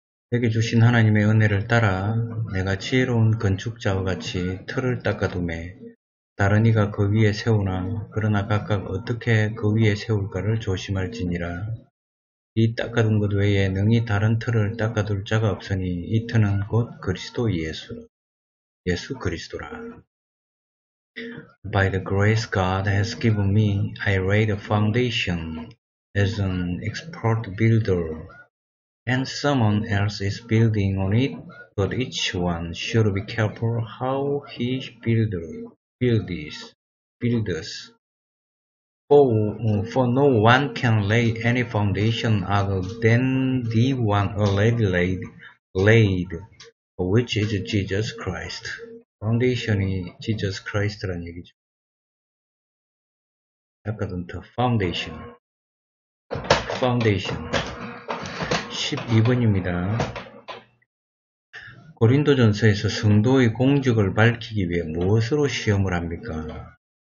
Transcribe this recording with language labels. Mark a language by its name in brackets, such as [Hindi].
[Korean] 내게 주신 하나님의 은혜를 따라 내가 지혜로운 건축자와 같이 틀을 닦아둠에 다른 이가 그 위에 세우나 그러나 각각 어떻게 그 위에 세울까를 조심할지니라. 이 닦아둔 것 외에 능히 다른 틀을 닦아둘 자가 없으니 이 틀은 곧 그리스도 예수. 예수 그리스도라. [English] By the grace God has given me, I laid a foundation as an expert builder, and someone else is building on it, but each one should be careful how he builds. For no one can lay any foundation other than the one already laid, which is Jesus Christ. [Korean] 파운데이션이 지저스 크라이스트란 얘기죠. 약간 더 파운데이션 12번입니다. 고린도전서에서 성도의 공적을 밝히기 위해 무엇으로 시험을 합니까?